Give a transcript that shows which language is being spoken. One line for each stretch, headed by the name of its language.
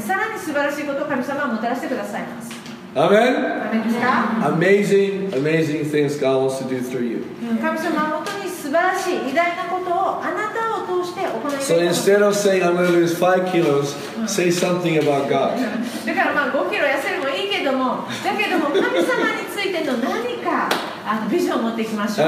Japanese: さらに素晴らしいことを神様はもたらしてくださいます。アメン。アメンですか。
English: Amazing, amazing things God wants to do through you.
Japanese: 神様は本当に素晴らしい偉大なことをあなたを通して行います。
English: So instead of saying I'm going to lose 5 kilos, say something about God.
Japanese: だからまあ5キロ痩せるもいいけども、だけども神様についての何かビジョンを持っていきましょう。